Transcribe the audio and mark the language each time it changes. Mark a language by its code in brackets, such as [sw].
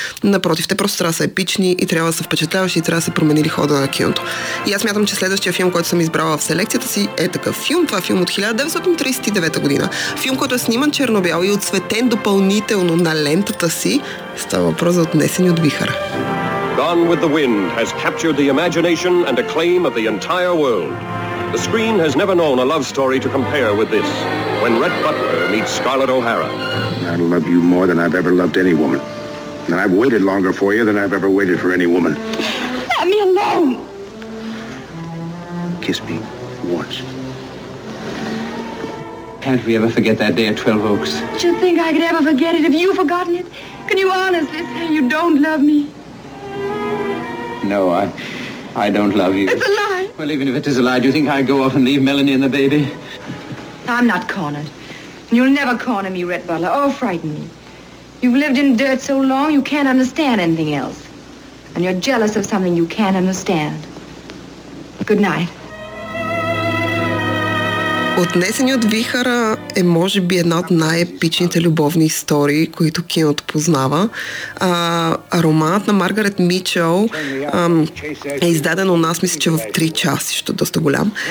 [bg] Напротив, те просто трябва да са епични и трябва да са впечатляващи и трябва да се променили хода на киното. И аз смятам, че следващия филм, който съм избрала в селекцията си, е такъв филм. Това е филм от 1939 година. Филм, който е сниман черно-бял и отцветен допълнително на лентата си, става въпрос за Отнесени от вихър. [en] Gone with the Wind has captured the imagination and acclaim of the entire world. The screen has never known a love story to compare with this. When Rhett Butler meets Scarlett O'Hara. I love you more than I've ever loved any woman. And I've waited longer for you than I've ever waited for any woman. Let me alone! Kiss me once. Can't we ever forget that day at 12 Oaks? Do you think I could ever forget it? Have you forgotten it? Can you honestly say you don't love me? No, I don't love you. It's a lie. Well, even if it is a lie, do you think I'd go off and leave Melanie and the baby? I'm not cornered. And you'll never corner me, Rhett Butler, or frighten me. You've lived in dirt so long, you can't understand anything else. And you're jealous of something you can't understand. Good night. [bg] Отнесени от вихъра е може би една от най-епичните любовни истории, които киното познава. Романът на Маргарет Мичел е издаден у нас, мисля, че в 3 часа, защото доста голям.